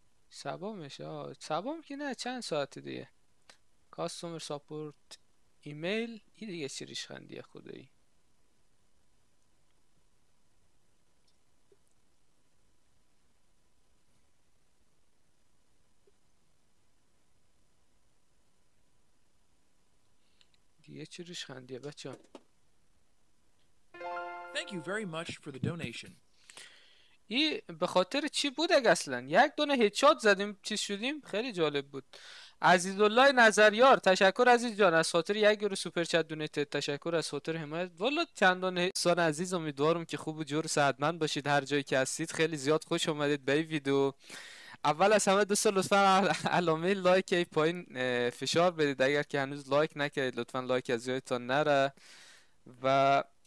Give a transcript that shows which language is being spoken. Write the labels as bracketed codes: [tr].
[fa] سبا میشه سبا که نه چند ساعت دیگه customer support ایمیل این دیگه چی ریشخندیه خدایی یه چی روش خندیه بچه هم [en] Thank you very much for the donation. [fa] ای به خاطر چی بود اگه اصلا یک دونه هیچات زدیم چی شدیم خیلی جالب بود عزیزالله نظریار تشکر عزیز جان از خاطر یک گروه سوپرچت دونیت تشکر از خاطر حمایت والا چندان سال عزیز امیدوارم که خوب و جور سعدمند باشید هر جایی که هستید خیلی زیاد خوش اومدید به این ویدیو اول از همه دوستان لطفا علامه لایک ای پایین فشار بدید اگر که هنوز لایک نکردید لطفا لایک از یادتان نره و